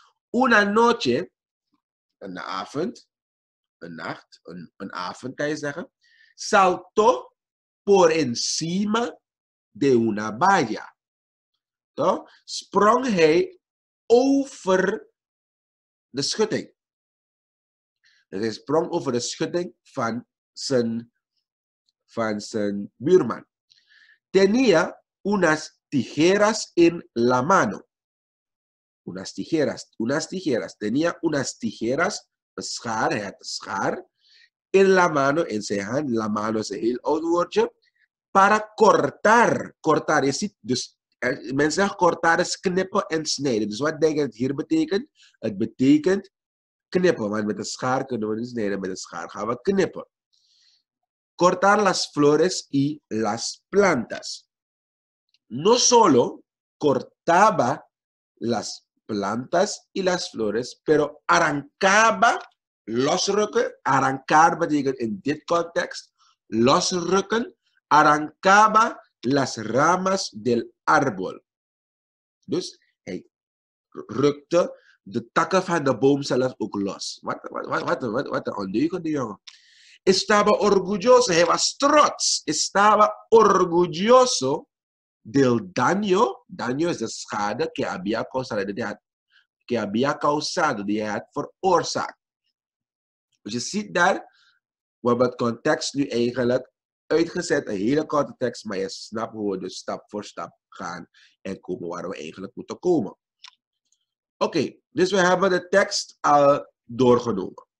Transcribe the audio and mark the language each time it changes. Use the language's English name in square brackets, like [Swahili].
[Spanish] Una noche, [Dutch] een avond, een nacht, een avond kan je zeggen, [Spanish] saltó por encima de una valla. [Dutch] Sprong hij over de schutting. Dus hij sprong over de schutting van zijn buurman. [Spanish] Tenía unas tijeras en la mano. Unas tijeras. Tenía unas tijeras, een schaar, hij had een schaar, en la mano, en zijn hand, la mano is een heel oud woordje, para cortar. [Dutch] Cortar, je ziet, dus men zegt cortar is knippen en snijden. Dus wat denk je dat het hier betekent? Het betekent knippen, want met een schaar kunnen we niet snijden, met een schaar gaan we knippen. [Spanish] Cortar las flores y las plantas. No solo cortaba las plantas y las flores, pero arrancaba losrukken. [Dutch] Arrancar betekent in dit context losrukken. [Spanish] Arrancaba las ramas del árbol. [Dutch] Dus hij rukte de takken van de boom zelf ook los. Wat een ondeugende jongen. [Spanish] Estaba orgulloso. [Dutch] Hij was trots. [Spanish] Estaba orgulloso del daño. Daño [Dutch] is de schade [Spanish] que había causado. [Dutch] Die hij had veroorzaakt. Dus je ziet daar, we hebben het context nu eigenlijk uitgezet, een hele korte tekst, maar je snapt hoe we dus stap voor stap gaan en komen waar we eigenlijk moeten komen. Oké, dus we hebben de tekst al doorgenomen.